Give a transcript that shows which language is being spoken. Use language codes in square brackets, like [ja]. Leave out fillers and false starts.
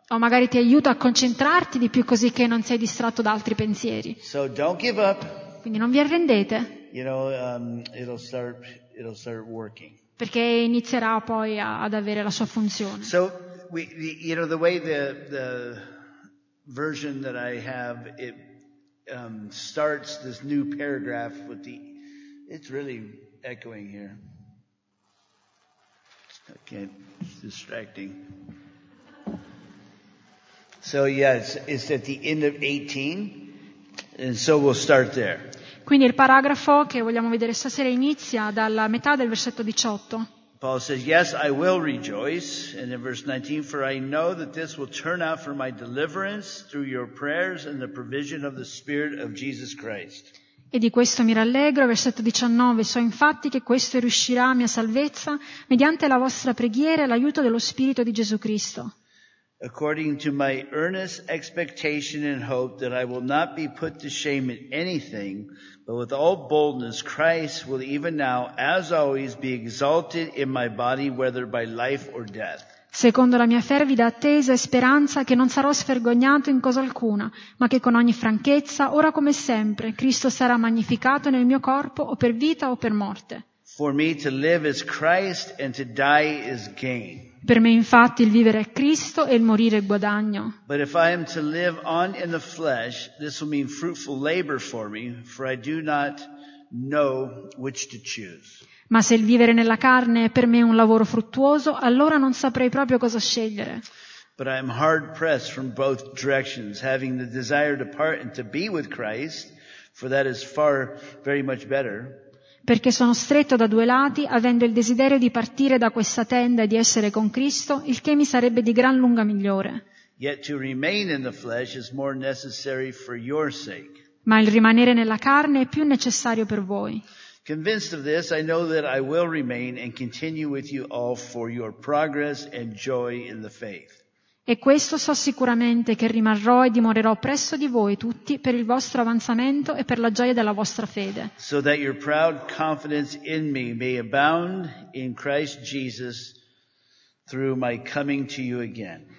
[it] O magari ti aiuta a concentrarti di più così che non sei distratto da altri pensieri. [en] So don't give up. [it] Quindi non vi arrendete. [en] You know, it'll start working. [it] Perché inizierà poi ad avere la sua funzione. [en] So the way the version that I have, it starts this new paragraph with the, it's really echoing here. Okay, it's distracting. So yeah, it's at the end of 18, and so we'll start there. [it] Quindi il paragrafo che vogliamo vedere stasera inizia dalla metà del versetto 18. [en] Paul says, yes, I will rejoice, and in verse 19, for I know that this will turn out for my deliverance through your prayers and the provision of the Spirit of Jesus Christ. [it] E di questo mi rallegro, versetto 19, so infatti che questo riuscirà a mia salvezza mediante la vostra preghiera e l'aiuto dello Spirito di Gesù Cristo. [en] According to my earnest expectation and hope that I will not be put to shame in anything, but with all boldness, Christ will even now, as always, be exalted in my body, whether by life or death. [it] Secondo la mia fervida attesa e speranza che non sarò svergognato in cosa alcuna, ma che con ogni franchezza, ora come sempre, Cristo sarà magnificato nel mio corpo o per vita o per morte. [en] For me to live is Christ and to die is gain. [it] Per me infatti il vivere è Cristo e il morire è guadagno. [en] But if I am to live on in the flesh, this will mean fruitful labor for me, for I do not know which to choose. [it] Ma se il vivere nella carne è per me un lavoro fruttuoso, allora non saprei proprio cosa scegliere. [en] But I am hard pressed from both directions, having the desire to part and to be with Christ, for that is far very much better. [it] Perché sono stretto da due lati, avendo il desiderio di partire da questa tenda e di essere con Cristo, il che mi sarebbe di gran lunga migliore. [en] Yet to remain in the flesh is more necessary for your sake. [it] Ma il rimanere nella carne è più necessario per voi. [en] Convinced of this, I know that I will remain and continue with you all for your progress and joy in the faith. [it] E questo so sicuramente che rimarrò e dimorerò presso di voi tutti per il vostro avanzamento e per la gioia della vostra fede. [en] So that your proud confidence in me may abound in Christ Jesus through my coming to you again.